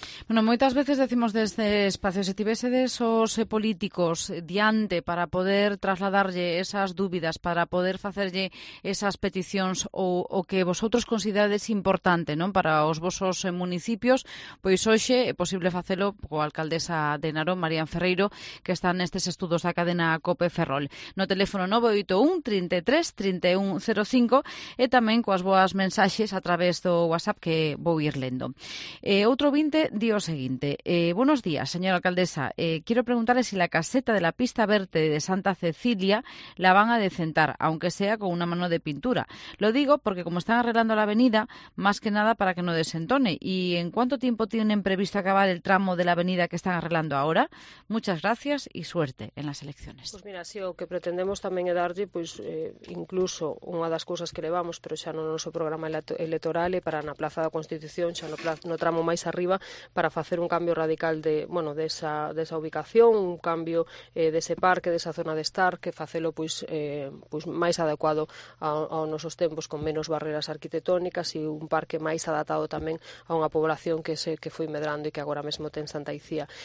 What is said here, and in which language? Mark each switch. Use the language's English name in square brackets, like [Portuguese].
[Galician] Bueno, moitas veces decimos desde espacio, se tivésedes os políticos diante para poder trasladarlle esas dúbidas, para poder facerlle esas peticións ou que vosotros considerades importante, non, para os vosos municipios, pois hoxe é posible facelo coa alcaldesa de Narón, Marían Ferreiro, que está nestes estudos da cadena COPE Ferrol. No teléfono 981-33-3105 e tamén coas boas mensaxes a través do WhatsApp que vou ir lendo. Outro 20 día o seguinte. [Spanish] Buenos días, señora alcaldesa. Quiero preguntarle si la caseta de la pista verde de Santa Cecilia la van a decentar, aunque sea con una mano de pintura. Lo digo porque como están arreglando la avenida, más que nada para que no desentone. ¿Y en cuánto tiempo tienen previsto acabar el tramo de la avenida que están arreglando ahora? Muchas gracias y suerte en las elecciones. [Galician] Pues mira, sí, o que pretendemos tamén é darlle, pues, incluso unha das cousas que levamos, pero xa no noso programa electoral e para na Plaza da Constitución, xa no tramo máis arriba, para facer un cambio radical de esa ubicación, un cambio dese parque, desa zona de estar, que facelo pois, pois máis adecuado ao nosos tempos, con menos barreras arquitectónicas e un parque máis adaptado tamén a unha población que foi medrando e que agora mesmo ten Santa Icía.